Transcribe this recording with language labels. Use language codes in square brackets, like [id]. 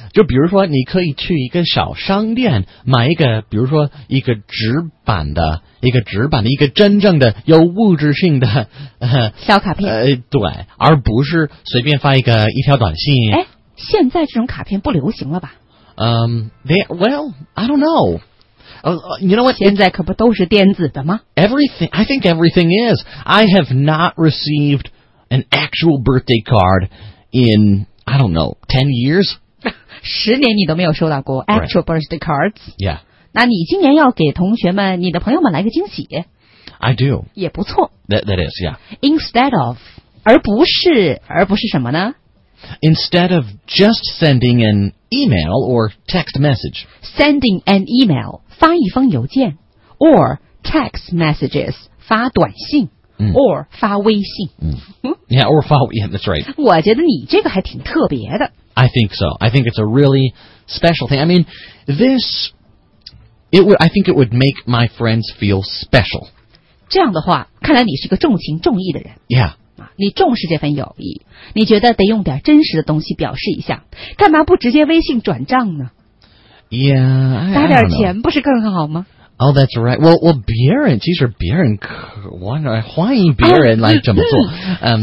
[zh] 就比如说你可以去一个小商店买一个比如说一个纸板的一个真正的有物质性的小卡片对而不是随便发一个一条短信哎现在这种卡片不流行了吧 [en] well I don't know you know what [zh] 现在可不都是电子的吗 [en] everything I think everything is I have not received an actual birthday card in I don't know 10 years [zh] 十年你都没有收到过 [en] actual birthday cards、 right. yeah [zh] 那你今年要给同学们你的朋友们来个惊喜 [en] I do [zh] 也不错 [en] that is yeah instead of [zh] 而不是什么呢 [en] instead of just sending an email or text message sending an email [zh] 发一封邮件 [en] or text messages [zh] 发短信、 [en] or [zh] 发微信、 [en] yeah or 发 yeah that's right [zh] 我觉得你这个还挺特别的 [en] I think so I think it's a really special thing I mean thisI think it would make my friends feel special. [zh] 这样的话，看来你是一个重情重义的人。 [en] Yeah. [zh] 你重视这份友谊，你觉得得用点真实的东西表示一下，干嘛不直接微信转账呢 [en] ？Yeah. [zh] 打点钱不是更好吗 [en] ？Oh, that's right. [zh] Well, 别人其实别人可玩儿，欢迎别人来这么做。